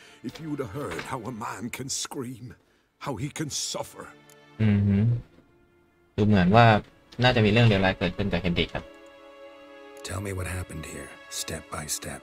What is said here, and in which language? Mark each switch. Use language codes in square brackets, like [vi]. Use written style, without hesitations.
[en] If you'd have heard how a man can scream, how he can suffer. [th] ดูเหมือนว่าน่าจะมีเรื่องเลวร้ายเกิดขึ้นกับเฮนริกครับ [en] Tell me what happened here, step by step.